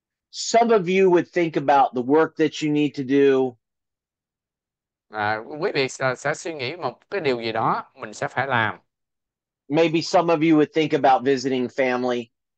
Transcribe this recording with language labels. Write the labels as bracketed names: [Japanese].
[English] Some of you would think about the work that you need to do. [Vietnamese] À, quý vị sẽ suy nghĩ một cái điều gì đó mình sẽ phải làm. [English] Maybe some of you would think about visiting family.